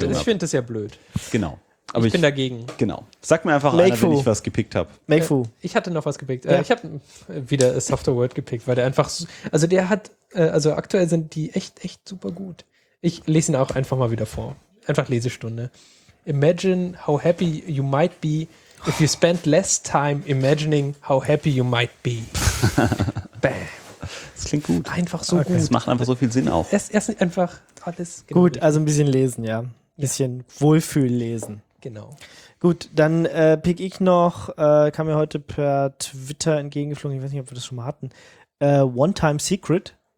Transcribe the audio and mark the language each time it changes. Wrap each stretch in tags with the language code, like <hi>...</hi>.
<de>habe. Ich find das ja blöd. Genau. Aber ich bin dagegen. Genau. Sag mir einfach einer, wenn ich was gepickt habe. Meifu. Ich hatte noch was gepickt. Ja. Ich habe wieder Software World gepickt, weil der einfach so, also der hat, also aktuell sind die echt, echt super gut. Ich lese ihn auch einfach mal wieder vor. Einfach Lesestunde.</de> <en>Imagine how happy you might be if you spend less time imagining how happy you might be.</en> <de>Bam. Das klingt gut. Einfach so gut. Das macht einfach so viel Sinn auch. Erst einfach alles. Gut, also ein bisschen lesen, ja. Ein bisschen Wohlfühl lesen. Genau. Gut, dann pick ich noch, kam mir heute per Twitter entgegengeflogen, ich weiß nicht, ob wir das schon mal hatten, One-Time Secret.</de>